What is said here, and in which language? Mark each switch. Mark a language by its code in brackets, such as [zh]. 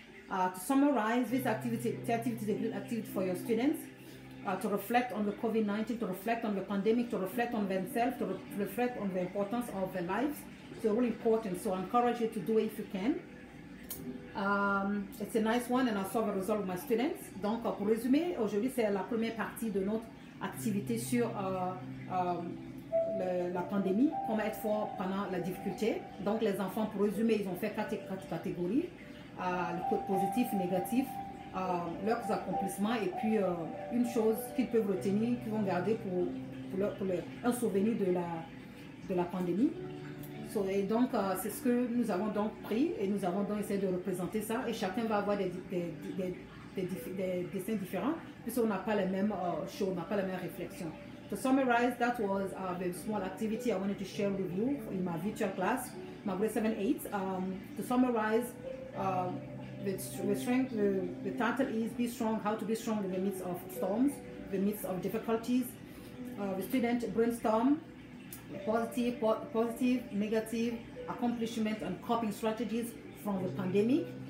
[en] To summarize this activity, the activity is a good activity for your students. To reflect on the COVID-19, to reflect on the pandemic, to reflect on themselves, to reflect on the importance of their lives. It's really important, so I encourage you to do it if you can. It's a nice one, and I saw the result of my students. [fr] Donc, pour résumer, aujourd'hui, c'est la première partie de notre activité sur la pandémie, comment être fort pendant la difficulté. Donc, les enfants, pour résumer, ils ont fait quatre catégories, le code positif, négatif, leurs accomplissements, et puis une chose qu'ils peuvent retenir, qu'ils vont garder pour un souvenir de la pandémie. So, et donc c'est ce que nous avons donc pris, et nous avons donc essayé de représenter ça, et chacun va avoir des dessins différents, puisqu'on n'a pas les mêmes choses, on n'a pas la même réflexion. [en] To summarize, that was the small activity I wanted to share with you in my virtual class, my grade 7-8. To summarize, the title is Be Strong, How to Be Strong in the Midst of Storms, the Midst of Difficulties. The student brainstorm positive, positive, negative accomplishments and coping strategies from the pandemic.